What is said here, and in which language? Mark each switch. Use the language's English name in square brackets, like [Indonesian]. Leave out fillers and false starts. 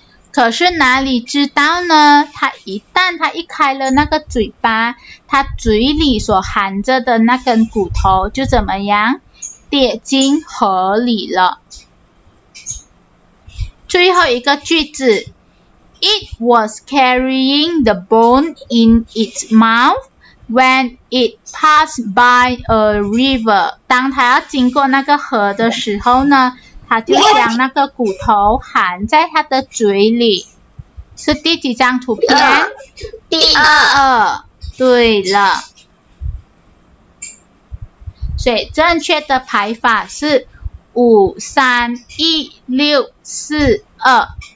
[Chinese] 可是哪里知道呢，他一旦他一开了那个嘴巴，他嘴里所含着的那根骨头就怎么样，跌进河里了。最后一个句子， [English] It was carrying the bone in its mouth when it passed by a river. [Chinese] 当它要经过那个河的时候呢，它就将那个骨头含在它的嘴里。是第几张图片？第二。对了，所以正确的排法是五三一六四二。